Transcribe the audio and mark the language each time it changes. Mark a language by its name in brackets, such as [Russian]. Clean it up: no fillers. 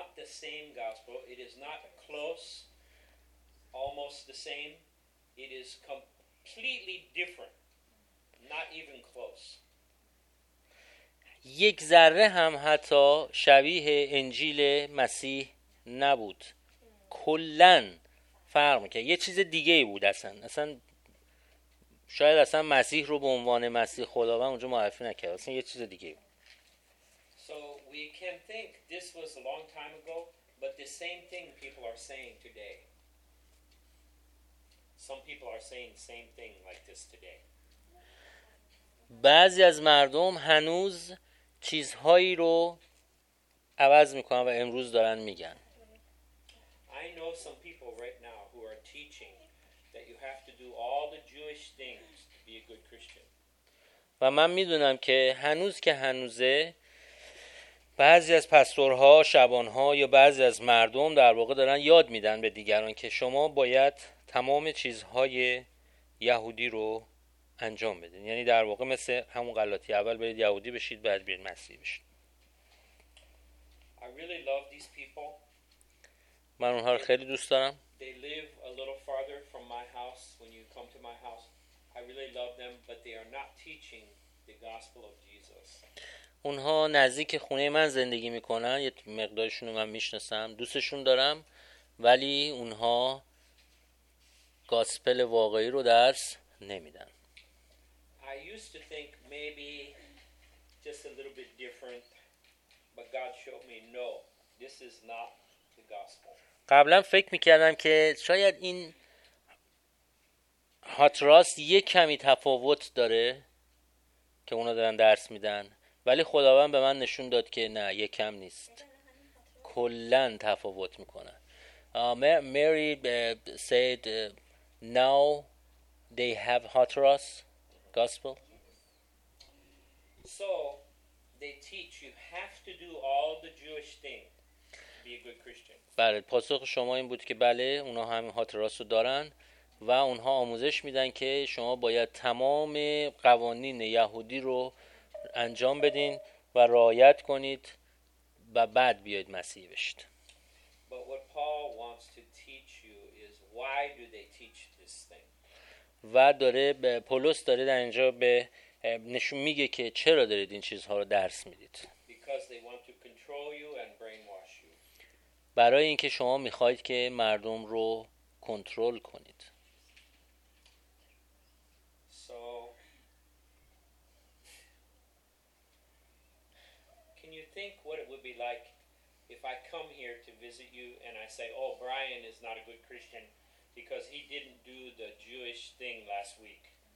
[English] Same gospel, it is not close, almost the same, it is completely different, not even close. [Persian] یک ذره هم حتی شبیه انجیل مسیح نبود، کلن فرق میکرد، یه چیز دیگه بود. اصلا شاید اصلا مسیح رو به عنوان مسیح خداوند اونجا معرفی نکرد، اصلا یه چیز دیگه بود. [English] So we can think this was a long time ago. But the same thing people are saying today. Some people are saying the same thing like this today. [Persian] بعضی از مردم هنوز چیزهایی رو عوض میکنن و امروز دارن میگن. [English] I know some people right now who are teaching that you have to do all the Jewish things to be a good Christian. [Persian] و من میدونم که هنوز که هنوزه بعضی از پاستورها، شبانها یا بعضی از مردم در واقع دارن یاد میدن به دیگران که شما باید تمام چیزهای یهودی رو انجام بدین. یعنی در واقع مثل همون غلطی، اول برید یهودی بشید بعد برید مسیحی بشید. [English] I really love these people. [Persian] من اونها رو خیلی دوست دارم. [English] They live a little farther from my house. When you come to my house, I really love them, but they are not teaching the gospel of Jesus. [Persian] اونها نزدیک خونه من زندگی میکنن، یه مقدارشون رو من میشناسم، دوستشون دارم، ولی اونها گاسپل واقعی رو درس نمیدن. [English] I used to think maybe just a little bit different, but God showed me no, this is not the gospel. [Persian] قبلا فکر میکردم که شاید این هاتراست یه کمی تفاوت داره که اونا دارن درس میدن، ولی خداوند به من نشون داد که نه، یه کم نیست، کلن تفاوت میکنه. [English] Mary said now they have Hatras gospel. So they teach you have to do all the Jewish thing to be a good Christian. [Persian] بله، پاسخ شما این بود که بله، اونها هم هاتراس رو دارن و اونها آموزش میدن که شما باید تمام قوانین یهودی رو انجام بدین و رعایت کنید و بعد بیاید مسیح بشید. [English] But what Paul wants to teach you is why do they teach this thing. [Persian] و داره به پولس داره در اینجا به نشون میگه که چرا دارید این چیزها رو درس میدید. [English] Because they want to control you and brainwash you. [Persian] برای اینکه شما میخواهید که مردم رو کنترل کنید. [English] So can you think what it would be like if I come here to visit you and I say, oh, Brian is not a good Christian because he didn't do the Jewish thing last week.